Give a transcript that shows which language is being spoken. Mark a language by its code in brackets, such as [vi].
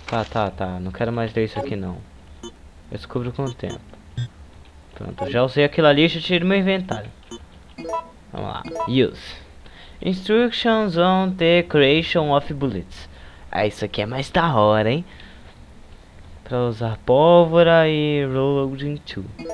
[pt] Tá, não quero mais ler isso aqui não. Eu descubro com o tempo. Pronto, já usei aquela lixa, tirei meu inventário. Vamos lá, [en] use instructions on the creation of bullets. [pt] Ah, isso aqui é mais da hora, hein? Pra usar pólvora e reloading tool.